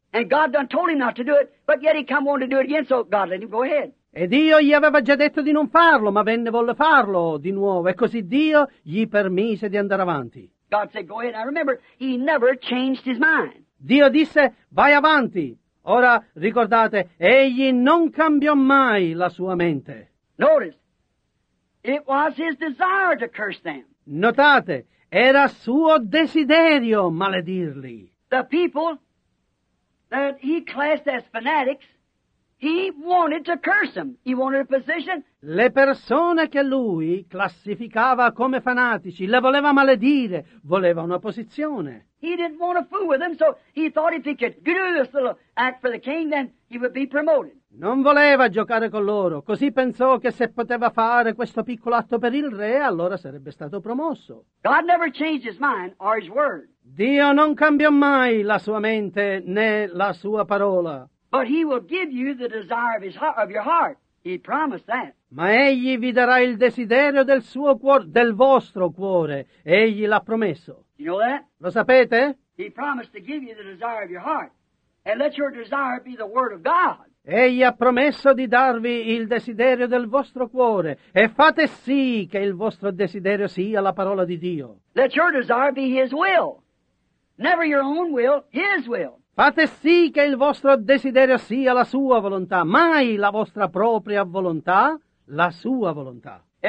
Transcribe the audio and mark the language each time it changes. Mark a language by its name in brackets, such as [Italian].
[English] And God done told him not to do it, but yet he come on to do it again, so God let him go ahead. [Italian] E Dio gli aveva già detto di non farlo, ma venne volle farlo di nuovo. E così Dio gli permise di andare avanti. [English] God said, go ahead. I remember, he never changed his mind. [Italian] Dio disse, vai avanti. Ora, ricordate, egli non cambiò mai la sua mente. [English] Notice, it was his desire to curse them. [Italian] Notate, era suo desiderio maledirli. [English] The people that he classed as fanatics, he wanted to curse them. He wanted a position. [Italian] Le persone che lui classificava come fanatici, le voleva maledire, voleva una posizione. [English] He didn't want to fool with them, so he thought if he could do this little act for the king, then he would be promoted. [Italian] Non voleva giocare con loro, così pensò che se poteva fare questo piccolo atto per il re, allora sarebbe stato promosso. [English] God never changed his mind or his word. [Italian] Dio non cambiò mai la sua mente né la sua parola. [English] But he will give you the desire of your heart. He promised that. [Italian] Ma egli vi darà il desiderio del suo cuore, del vostro cuore. Egli l'ha promesso. [English] You know that? [Italian] Lo sapete? [English] He promised to give you the desire of your heart. And let your desire be the word of God. [Italian] Egli ha promesso di darvi il desiderio del vostro cuore. E fate sì che il vostro desiderio sia la parola di Dio. [English] Let your desire be his will. Never your own will, his will. [Italian] Fate sì che il vostro desiderio sia la sua volontà, mai la vostra propria volontà, la sua volontà.